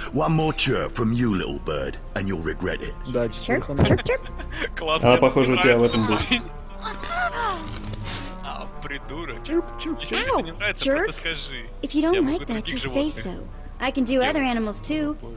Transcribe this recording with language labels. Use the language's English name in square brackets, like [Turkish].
[English] One more chirp from you, little bird, and you'll regret it. [Russian] Да, чирп. Классно. Она похожа у тебя в этом будет. А, придурок. Чирп. Если тебе не нравится, просто скажи. [English] If you don't like that, just say so. I can do other animals too.